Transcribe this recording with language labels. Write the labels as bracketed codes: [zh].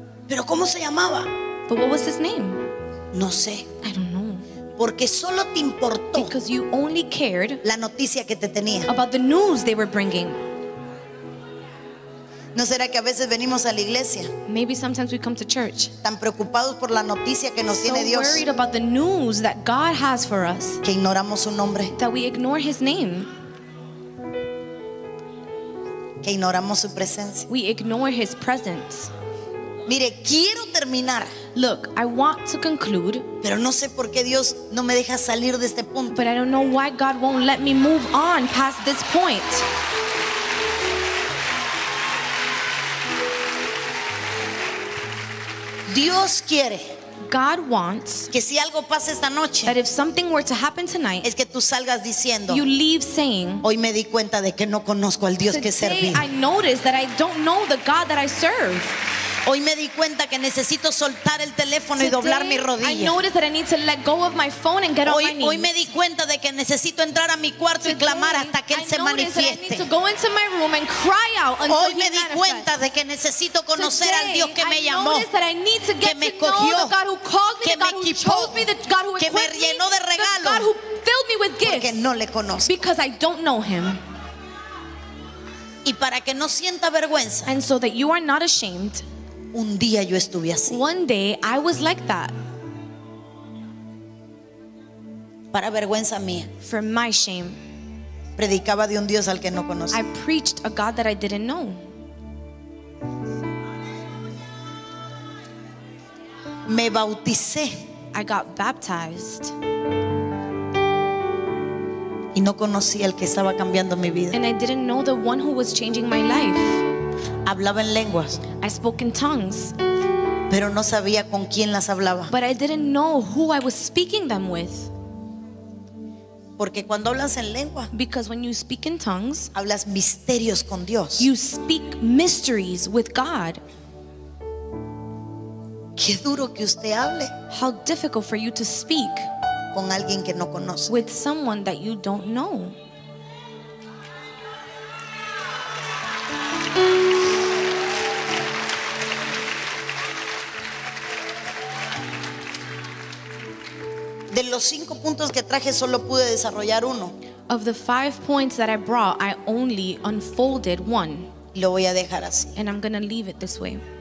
[es] Pero cómo se llamaba. [en] But what was his name? [es] No sé. [en] I don't know. [es] Porque solo te importó [en] because you only cared [es] la noticia que te tenía. [en] About the news they were bringing. [es] ¿No será que a veces venimos a la iglesia? [en] Maybe sometimes we come to church. [es] Tan preocupados por la noticia que nos [en] so [es] tiene Dios. [en] Worried about the news that God has for us. [es] Que ignoramos su nombre. [en] That we ignore his name. [es] Que ignoramos su presencia. [en] We ignore his presence. [es] Mire, quiero terminar. [en] Look, I want to conclude. [es] Pero no sé por qué Dios no me deja salir de este punto. [en] But I don't know why God won't let me move on past this point. [es] Dios quiere. [en] God wants [es] que si algo pasa esta noche, [en] that if something were to happen tonight, [es] es que tú salgas diciendo, [en] you leave saying, [es] hoy me di cuenta de que no conozco al Dios que serví. [en] Today I noticed that I don't know the God that I serve. [es] Hoy me di cuenta que necesito soltar el teléfono [en] today, [es] y doblar mi rodilla. [en] I noticed that I need to let go of my phone and get [es] hoy, [en] on my knees. [es] Hoy me di cuenta de que necesito entrar a mi cuarto [en] today, [es] y clamar hasta que él [en] I [es] se manifieste. [en] I need to go into my room and cry out until [es] hoy [en] he [es] me di [en] manifests. [es] Cuenta de que necesito conocer [en] today, [es] al Dios que me llamó, que me escogió, que me equipó, que me llenó de regalos, porque no le conozco. [en] Because I don't know him. [es] Y para que no sienta vergüenza. [en] And so that you are not ashamed. [es] Un día yo estuve así. [en] One day I was like that. [es] Para vergüenza mía. [en] For my shame. [es] Predicaba de un Dios al que no conocía. [en] I preached a God that I didn't know. [es] Me bauticé. [en] I got baptized. [es] Y no conocía al que estaba cambiando mi vida. [en] And I didn't know the one who was changing my life. [es] Hablaba en lenguas. [en] I spoke in tongues. [es] Pero no sabía con quién las hablaba. [en] But I didn't know who I was speaking them with. [es] Porque cuando hablas en lengua, [en] because when you speak in tongues, [es] hablas misterios con Dios. [en] You speak mysteries with God. [es] Qué duro que usted hable. [en] How difficult for you to speak [es] con alguien que no conoce. [en] With someone that you don't know. [es] De los cinco puntos que traje solo pude desarrollar uno. [en] Of the 5 points that I brought, I only unfolded one. [es] Lo voy a dejar así. [en] And I'm going to leave it this way.